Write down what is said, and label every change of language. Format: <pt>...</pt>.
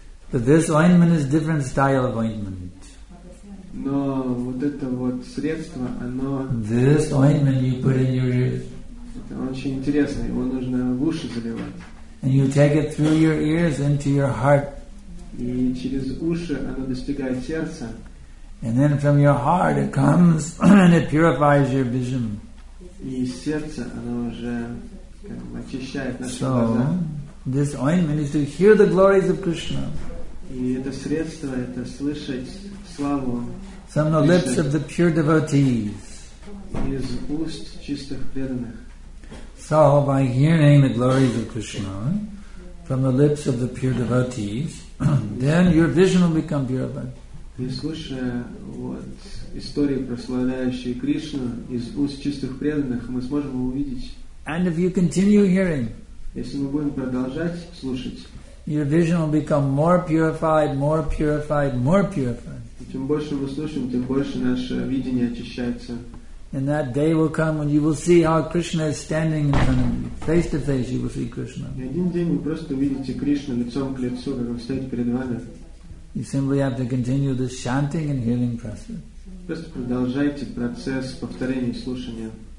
<en>But this ointment is different style of ointment.</en> <ru>Но вот это вот средство, оно.</ru> <en>This ointment you put in your ears.</en> <ru>Это очень интересно, его нужно в уши заливать.</ru> <en>And you take it through your ears into your heart.</en> <ru>И через уши оно достигает сердца.</ru> <en>And then from your heart it comes and it purifies your vision.</en> <ru>И сердце, оно уже как, очищает наши</ru> <en>so,</en> <ru>глаза.</ru> <en>This ointment is to hear the glories of Krishna.</en> <ru>И это средство, это слышать славу.</ru> <en>From the lips of the pure devotees.</en> <ru>Из уст чистых преданных.</ru> <en>So, by hearing the glories of Krishna from the lips of the pure devotees, then your vision will become purified.</en> <ru>И слушая вот истории, прославляющие Кришну из уст чистых преданных, мы сможем его увидеть.</ru> <en>And if you continue hearing,</en> <ru>если мы будем продолжать слушать,</ru> <en>your vision will become more purified, more purified, more purified.</en> <ru>И чем больше мы слушаем, тем больше наше видение очищается.</ru> <en>And that day will come when you will see how Krishna is standing in front of you. Face to face you will see Krishna.</en> <ru>И один день вы просто увидите Кришну лицом к лицу, как он стоит перед вами.</ru> <en>You simply have to continue this chanting and hearing process.</en> <ru>Просто продолжайте процесс повторения и слушания.</ru>